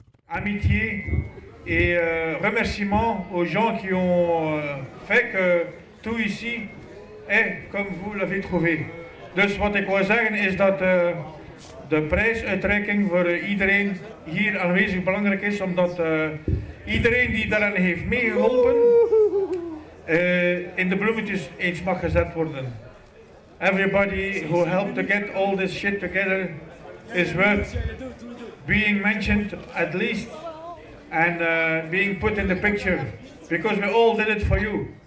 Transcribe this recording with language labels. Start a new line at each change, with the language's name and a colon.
French: Amitié et remerciements aux gens qui ont fait que tout ici est comme vous l'avez trouvé.
Dutch: Dus wat ik wil zeggen is dat de prijsuitreiking voor iedereen hier aanwezig belangrijk is, omdat iedereen die daaraan heeft meegeholpen in de bloemetjes eens mag gezet worden.
English: Everybody who helped to get all this shit together is worth being mentioned at least and being put in the picture, because we all did it for you.